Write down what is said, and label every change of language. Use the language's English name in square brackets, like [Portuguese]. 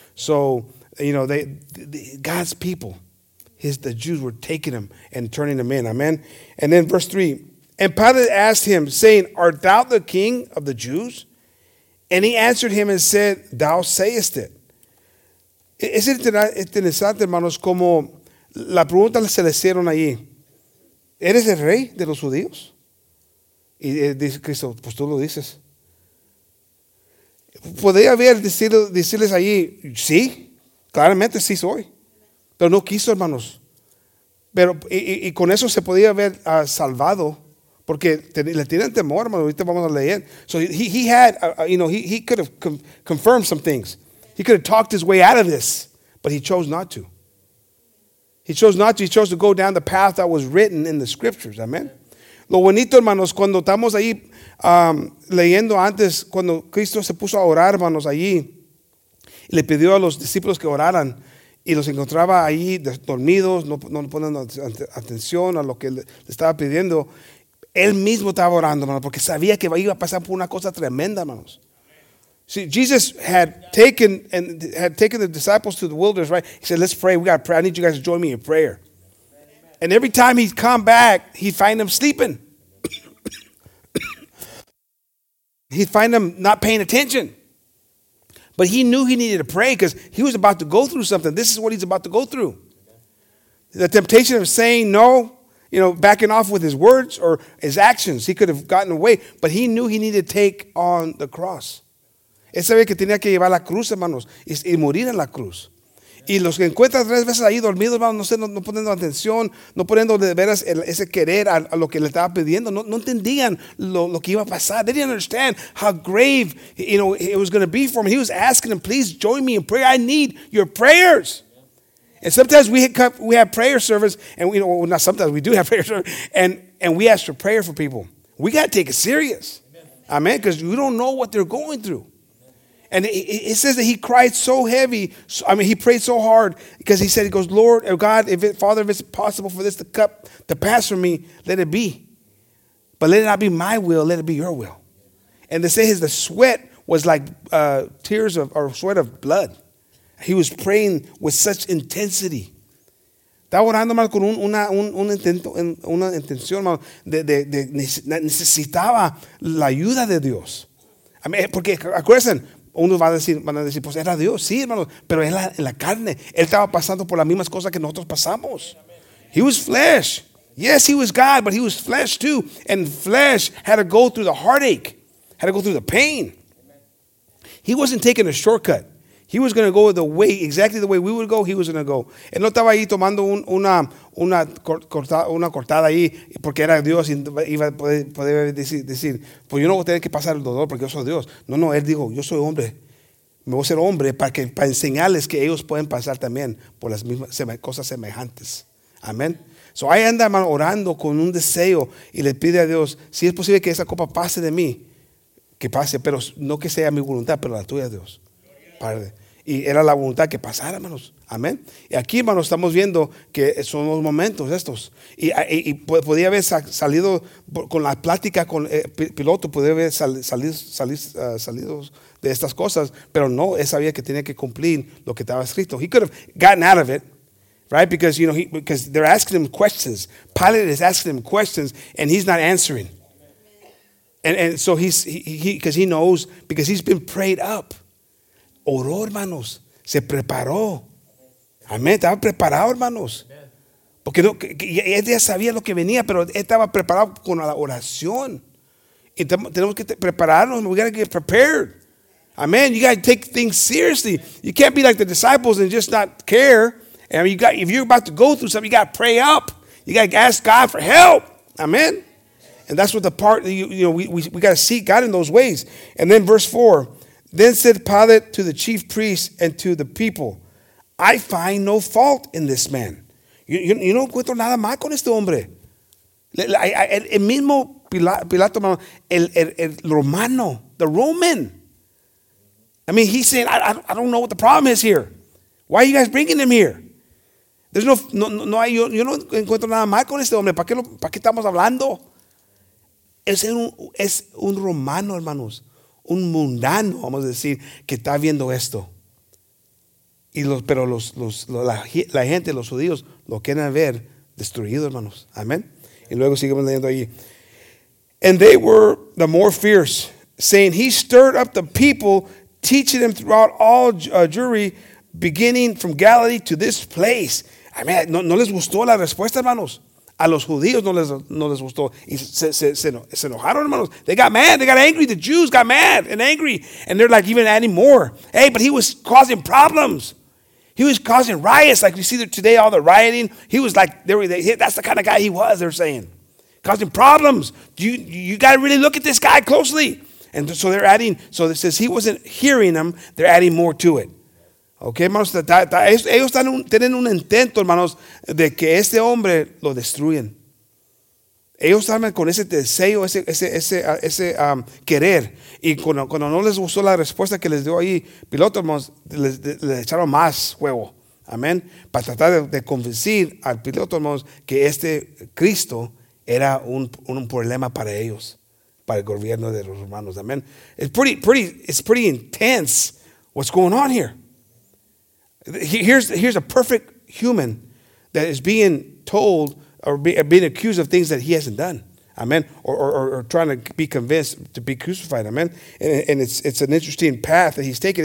[English] So, you know, God's people, the Jews were taking him and turning him in. Amen. And then verse 3, and Pilate asked him, saying, art thou the king of the Jews? And he answered him and said, thou sayest it. [Spanish] Es interesante, hermanos, como la pregunta se le hicieron allí. ¿Eres el rey de los judíos? Y dice Cristo, pues tú lo dices. ¿Podría haber decirles allí, sí? Claramente sí soy, pero no quiso, hermanos. Pero y con eso se podía haber salvado, porque le tienen temor, hermanos. Ahorita vamos a leer. [English] So he had, you know, he could have confirmed some things. He could have talked his way out of this, but he chose not to. He chose not to. He chose to go down the path that was written in the scriptures. Amen. [Spanish] Lo bonito, hermanos, cuando estamos ahí leyendo antes, cuando Cristo se puso a orar, hermanos, allí. Le pidió a los discípulos que oraran y los encontraba ahí dormidos, no poniendo atención a lo que le estaba pidiendo. Él mismo estaba orando, hermanos, porque sabía que iba a pasar por una cosa tremenda, hermanos. [English] See, Jesus had taken the disciples to the wilderness, right? He said, let's pray. We got to pray. I need you guys to join me in prayer. And every time he'd come back, he'd find them sleeping. He'd find them not paying attention. But he knew he needed to pray because he was about to go through something. This is what he's about to go through. The temptation of saying no, you know, backing off with his words or his actions. He could have gotten away, but he knew he needed to take on the cross. [Spanish] Él sabía que tenía que llevar la cruz, hermanos, y morir en la cruz. Y los que encuentran tres veces ahí dormidos, hermanos, no poniendo atención, no poniendo de veras ese querer a lo que le estaba pidiendo, no entendían lo que iba a pasar. [English] They didn't understand how grave, you know, it was going to be for him. He was asking them, please join me in prayer. I need your prayers. Yeah. And sometimes we have prayer service, and we, you know, well, not sometimes, we do have prayer service, and we ask for prayer for people. We got to take it serious. Amen. Because you don't know what they're going through. And it says that he cried so heavy. I mean, he prayed so hard because he said, he goes, Lord, oh God, Father, if it's possible for this cup to pass from me, let it be. But let it not be my will, let it be your will. And they say the sweat was like sweat of blood. He was praying with such intensity. [Spanish] Estaba orando mal con una intención de necesitaba la ayuda de Dios. [English] I mean, [Spanish] porque acuérdense, uno van a decir, pues era Dios, sí, hermano, pero era la carne. Él estaba pasando por las mismas cosas que nosotros pasamos. [English] He was flesh. Yes, he was God, but he was flesh too. And flesh had to go through the heartache, had to go through the pain. He wasn't taking a shortcut. He was going to go the way, exactly the way we would go, he was going to go. [Spanish] Él no estaba ahí tomando una cortada ahí, porque era Dios y iba a poder decir, pues yo no voy a tener que pasar el dolor porque yo soy Dios. No, no, él dijo, yo soy hombre. Me voy a ser hombre para enseñarles que ellos pueden pasar también por las mismas cosas semejantes. Amén. So ahí anda, hermano, orando con un deseo y le pide a Dios, si es posible que esa copa pase de mí, que pase, pero no que sea mi voluntad, pero la tuya, Dios. Padre. Y era la voluntad que pasara, hermanos. Amén. Y aquí, hermanos, estamos viendo que son los momentos estos. Y podía haber salido con la plática con el piloto, podía haber salido de estas cosas, pero no, él sabía que tenía que cumplir lo que estaba escrito. [English] He could have gotten out of it, right? Because, you know, because they're asking him questions. Pilate is asking him questions, and he's not answering. And so he knows, because he's been prayed up. [Spanish] Oró, hermanos. Se preparó. Amén. Estaba preparado, hermanos. Porque no, él ya sabía lo que venía, pero estaba preparado con la oración. Y tenemos que prepararnos. [English] We got to get prepared. Amén. You got to take things seriously. You can't be like the disciples and just not care. And you got, if you're about to go through something, you got to pray up. You got to ask God for help. Amén. And that's what the part, you know, we got to seek God in those ways. And then verse 4. Then said Pilate to the chief priests and to the people, I find no fault in this man. [Spanish] Yo no encuentro nada mal con este hombre. El mismo Pilato, [English] the Roman. I mean, he's saying, I don't know what the problem is here. Why are you guys bringing him here? There's no [Spanish] hay, yo no encuentro nada mal con este hombre. ¿Para qué estamos hablando? Es un romano, hermanos. Un mundano, vamos a decir, que está viendo esto. Y la gente, los judíos, lo quieren ver destruido, hermanos. Amén. Y luego seguimos leyendo ahí. [English] And they were the more fierce, saying, he stirred up the people, teaching them throughout all Jewry, beginning from Galilee to this place. [Spanish] Amén. ¿No les gustó la respuesta, hermanos? A los judíos no les gustó. Y se enojaron, hermanos. [English] They got mad. They got angry. The Jews got mad and angry. And they're like, even adding more. Hey, but he was causing problems. He was causing riots. Like you see today, all the rioting. He was like, that's the kind of guy he was, they're saying. Causing problems. You got to really look at this guy closely. And so they're adding. So it says he wasn't hearing them. They're adding more to it. [Spanish] Okay, hermanos, ellos tienen un intento, hermanos, de que este hombre lo destruyen. Ellos están con ese deseo, ese querer. Y cuando no les gustó la respuesta que les dio ahí Piloto, hermanos, les echaron más huevo. Amén. Para tratar de convencer al Piloto, hermanos, que este Cristo era un problema para ellos, para el gobierno de los romanos. [English] Amén. It's pretty intense what's going on here. Here's a perfect human that is being told or being accused of things that he hasn't done. Amen. Or trying to be convinced to be crucified. Amen. And it's an interesting path that he's taking.